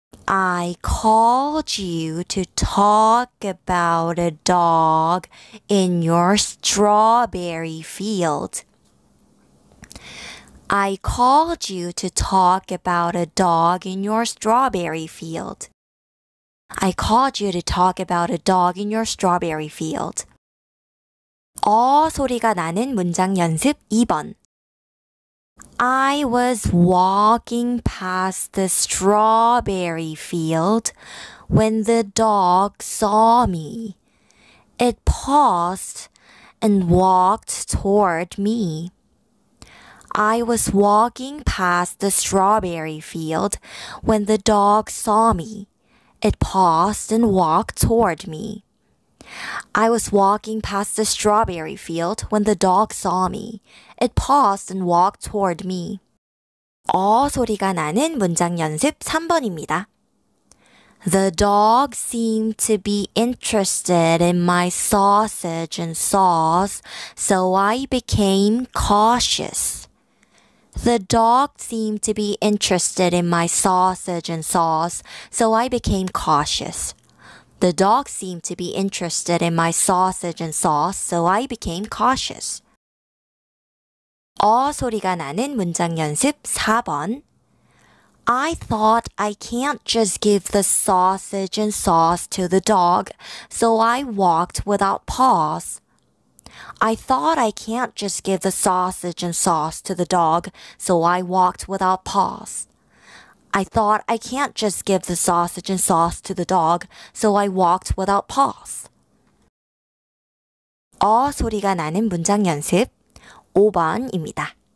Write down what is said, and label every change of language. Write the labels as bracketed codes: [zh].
[en] I called you to talk about a dog in your strawberry field. I called you to talk about a dog in your strawberry field. I called you to talk about a dog in your strawberry field. [ko] 어 소리가 나는 문장 연습 2번. [en] I was walking past the strawberry field when the dog saw me. It paused and walked toward me. I was walking past the strawberry field when the dog saw me. It paused and walked toward me. I was walking past the strawberry field when the dog saw me. It paused and walked toward me. [ko] 어 소리가 나는 문장 연습 3번입니다. [en] The dog seemed to be interested in my sausage and sauce, so I became cautious. The dog seemed to be interested in my sausage and sauce, so I became cautious. The dog seemed to be interested in my sausage and sauce, so I became cautious. [ko] 어 소리가 나는 문장 연습 4번. [en] I thought I can't just give the sausage and sauce to the dog, so I walked without pause. I thought I can't just give the sausage and sauce to the dog, so I walked without pause. I thought I can't just give the sausage and sauce to the dog, so I walked without pause. [ko] 어 소리가 나는 문장 연습 5번입니다.